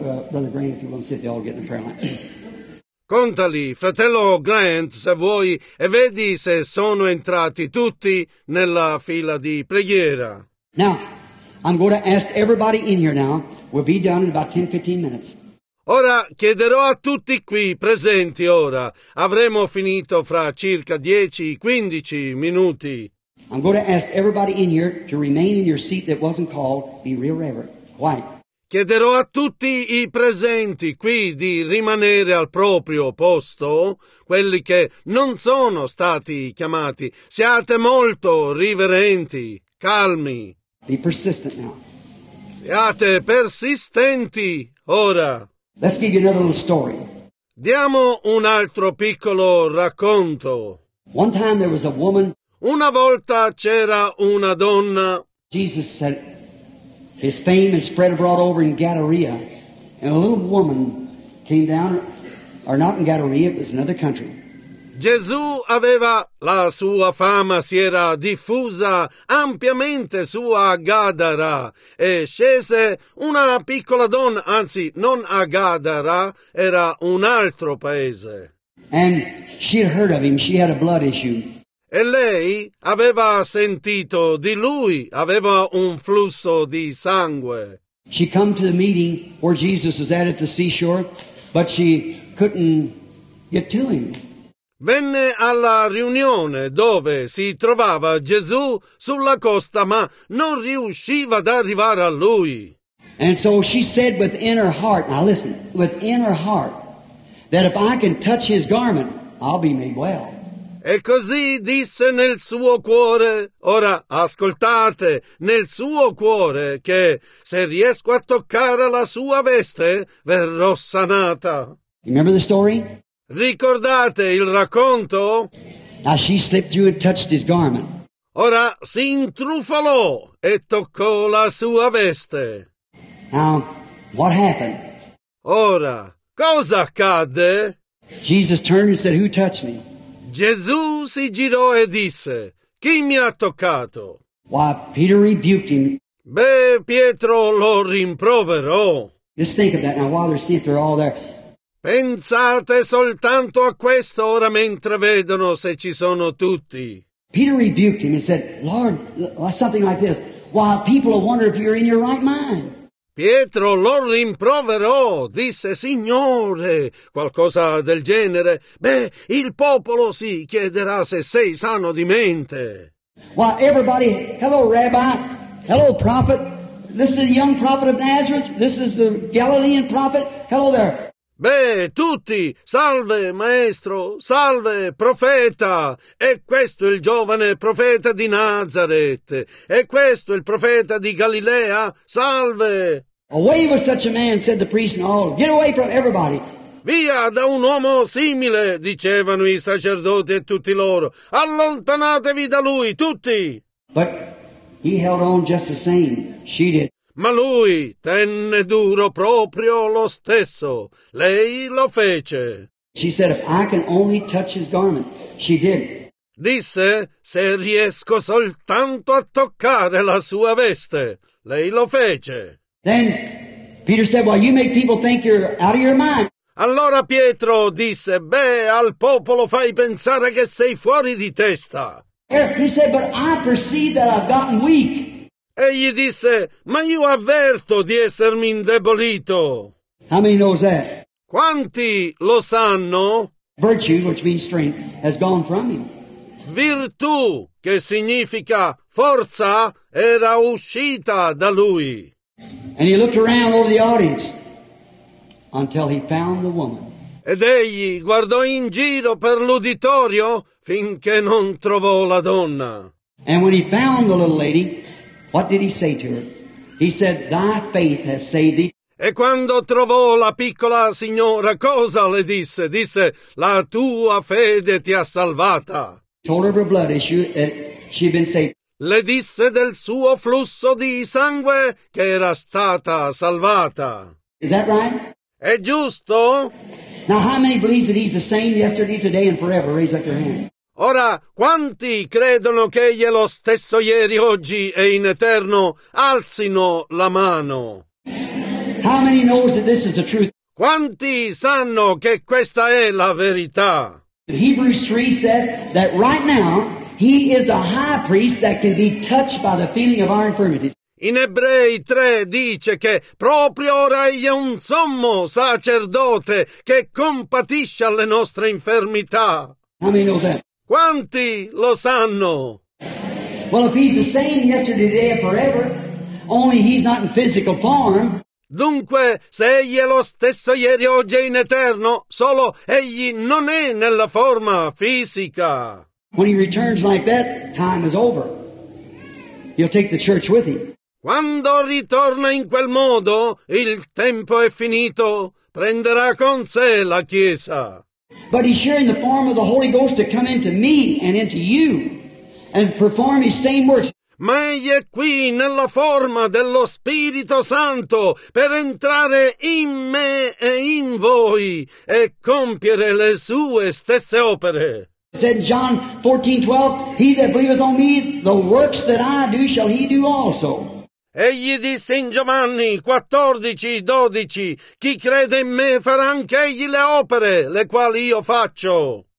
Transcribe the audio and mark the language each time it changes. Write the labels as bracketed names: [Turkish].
[English] Brother Grant, if you want to sit, they all get in the prayer line. [Italian] Contali, fratello Grant, se vuoi, e vedi se sono entrati tutti nella fila di preghiera. [English] Now, I'm going to ask everybody in here now, we'll be done in about 10-15 minutes. [Italian] Ora chiederò a tutti qui presenti ora. Avremo finito fra circa 10-15 minuti. [English] I'm going to ask everybody in here to remain in your seat that wasn't called. Be real reverent. Quiet. [Italian] Chiederò a tutti i presenti qui di rimanere al proprio posto, quelli che non sono stati chiamati. Siate molto riverenti, calmi. [English] Be persistent now. [Italian] Siate persistenti ora. [English] Let's give you another little story. [Italian] Diamo un altro piccolo racconto. [English] One time there was a woman. [Italian] Una volta c'era una donna. [English] Jesus said, his fame had spread abroad over in Gadara, and a little woman came down, or not in Gadara, it was another country. [Italian] Gesù aveva la sua fama, si era diffusa ampiamente su a Gadara e scese una piccola donna, anzi non a Gadara, era un altro paese. [English] And she had heard of him, she had a blood issue. [Italian] E lei aveva sentito di lui, aveva un flusso di sangue. [English] She came to the meeting where Jesus was at the seashore, but she couldn't get to him. [Italian] Venne alla riunione dove si trovava Gesù sulla costa, ma non riusciva ad arrivare a lui. [English] And so she said within her heart, now listen, within her heart, that if I can touch his garment, I'll be made well. [Italian] E così disse nel suo cuore, ora ascoltate, nel suo cuore, che se riesco a toccare la sua veste, verrò sanata. [English] You remember the story? [Italian] Ricordate il racconto? [English] Now she slipped through and touched his garment. [Italian] Ora si intrufolò e toccò la sua veste. [English] Now, what happened? [Italian] Ora, cosa accadde? [English] Jesus turned and said, "Who touched me?" [Italian] Gesù si girò e disse, "Chi mi ha toccato?" [English] Why, Peter rebuked him. [Italian] Beh, Pietro lo rimproverò. [English] Just think of that now while they're seeing if they're all there. [Italian] Pensate soltanto a questo ora mentre vedono se ci sono tutti. [English] Peter rebuked him and said, "Lord, something like this. Why, people will wonder if you're in your right mind." [Italian] Pietro lo rimproverò, disse, "Signore, qualcosa del genere. Beh, il popolo si chiederà se sei sano di mente." [English] Why, everybody, hello Rabbi, hello Prophet. This is the young Prophet of Nazareth. This is the Galilean Prophet. Hello there. [Italian] Beh, tutti, salve maestro, salve profeta, e questo il giovane profeta di Nazareth, e questo il profeta di Galilea, salve! [English] Away with such a man, said the priest and all, get away from everybody! [Italian] Via da un uomo simile, dicevano i sacerdoti e tutti loro, allontanatevi da lui, tutti! [English] But He held on just the same. She did. [Italian] Ma lui tenne duro proprio lo stesso. Lei lo fece. [English] She said, if I can only touch his garment. She did. [Italian] Disse, se riesco soltanto a toccare la sua veste. Lei lo fece. [English] Then Peter said, well, you make people think you're out of your mind. [Italian] Allora Pietro disse, beh, al popolo fai pensare che sei fuori di testa. [English] He said, but I perceive that I've gotten weak. [Italian] Egli disse, ma io avverto di essermi indebolito. [English] How many knows that? [Italian] Quanti lo sanno? [English] Virtue, which means strength, has gone from him. [Italian] Virtù, che significa forza, era uscita da lui. [English] And he looked around over the audience until he found the woman. [Italian] Ed egli guardò in giro per l'uditorio finché non trovò la donna. [English] And when he found the little lady, what did he say to her? He said, thy faith has saved thee. [Italian] E quando trovò la piccola signora, cosa le disse? Disse, la tua fede ti ha salvata. [English] Told her of her blood issue that she'd been saved. [Italian] Le disse del suo flusso di sangue che era stata salvata. [English] Is that right? [Italian] È giusto? [English] Now how many believe that he's the same yesterday, today and forever? Raise up your hand. [Italian] Ora, quanti credono che egli è lo stesso ieri, oggi e in eterno? Alzino la mano. [English] How many knows that this is the truth? [Italian] Quanti sanno che questa è la verità? [English] Hebrews 3 says that right now he is a high priest that can be touched by the feeling of our infirmities. [Italian] In Ebrei 3 dice che proprio ora egli è un sommo sacerdote che compatisce alle nostre infermità. [English] How many knows that? [Italian] Quanti lo sanno? [English] Well, if he's the same yesterday, today, and forever, only he's not in physical form. [Italian] Dunque, se egli è lo stesso ieri, oggi e in eterno, solo egli non è nella forma fisica. [English] When he returns like that, time is over. He'll take the church with him. [Italian] Quando ritorna in quel modo, il tempo è finito. Prenderà con sé la Chiesa. [English] But he's sharing the form of the Holy Ghost to come into me and into you and perform his same works. [Italian] Ma egli è qui nella forma dello Spirito Santo per entrare in me e in voi e compiere le sue stesse opere. [English] Said John 14:12, he that believeth on me, the works that I do shall he do also. [Italian] Egli disse in Giovanni 14:12, chi crede in me farà anche egli le opere le quali io faccio.